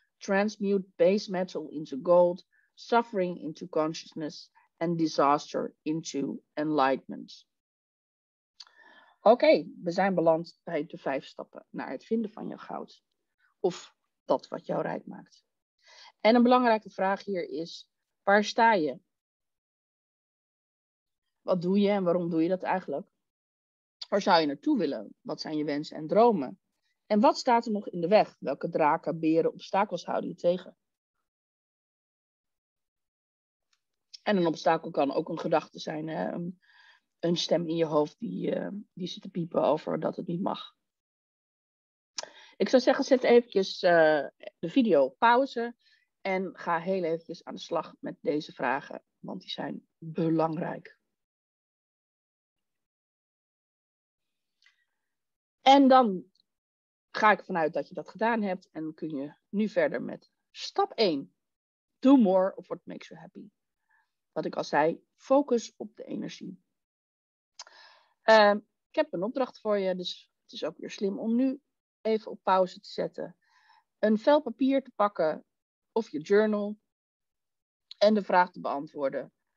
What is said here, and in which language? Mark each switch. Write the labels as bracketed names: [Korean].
[English] Transmute base metal into gold, suffering into consciousness, and disaster into enlightenment. [Dutch] Oké, we zijn beland bij de 5 stappen naar het vinden van je goud. Of dat wat jou rijk maakt. En een belangrijke vraag hier is, waar sta je? Wat doe je en waarom doe je dat eigenlijk? Waar zou je naartoe willen? Wat zijn je wensen en dromen? En wat staat er nog in de weg? Welke draken, beren, obstakels houden je tegen? En een obstakel kan ook een gedachte zijn. Hè? Een stem in je hoofd die zit te piepen over dat het niet mag. Ik zou zeggen, zet eventjes de video op pauze. En ga heel eventjes aan de slag met deze vragen. Want die zijn belangrijk. En dan ga ik vanuit dat je dat gedaan hebt en kun je nu verder met stap 1. [English] Do more of what makes you happy. [Dutch] Wat ik al zei, focus op de energie. Ik heb een opdracht voor je, dus het is ook weer slim om nu even op pauze te zetten. Een vel papier te pakken of je journal en de vraag te beantwoorden.